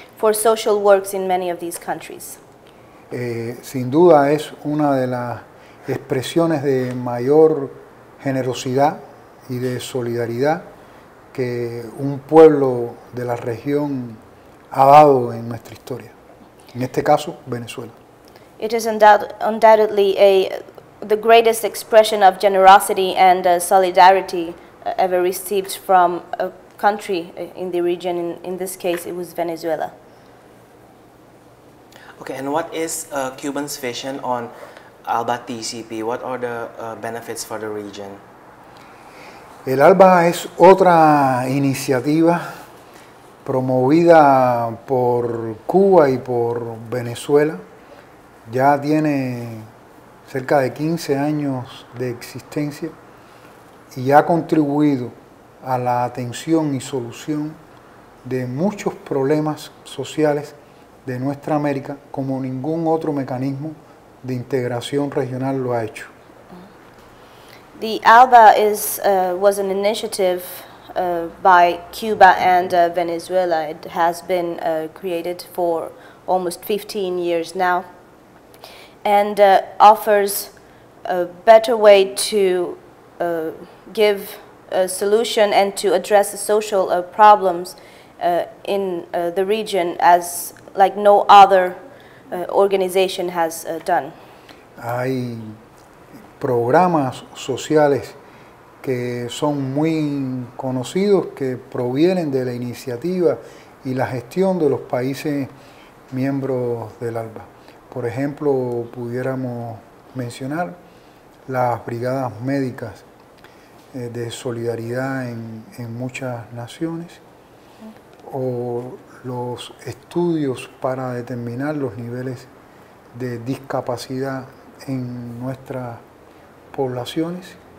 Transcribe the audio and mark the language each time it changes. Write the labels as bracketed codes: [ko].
[en] For social works in many of these countries. [es] Sin duda es una de las expresiones de mayor generosidad y de solidaridad que un pueblo de la región ha dado en nuestra historia. En este caso, Venezuela. [en] It is undoubtedly the greatest expression of generosity and solidarity ever received from a country in the region. In this case, it was Venezuela. Okay, and what is Cuban's vision on ALBA TCP? What are the benefits for the region? [es] El ALBA es otra iniciativa promovida por Cuba y por Venezuela. Ya tiene cerca de 15 años de existencia y ha contribuido a la atención y solución de muchos problemas sociales de nuestra América como ningún otro mecanismo de integración regional lo ha hecho. [en] The ALBA was an initiative by Cuba and Venezuela. It has been created for almost 15 years now and offers a better way to give a solution and to address the social problems in the region as like no other organization has done. [es] Hay programas sociales que son muy conocidos que provienen de la iniciativa y la gestión de los países miembros del ALBA. Por ejemplo, pudiéramos mencionar las brigadas médicas de solidaridad en muchas naciones o los estudios para determinar los niveles de discapacidad en nuestras poblaciones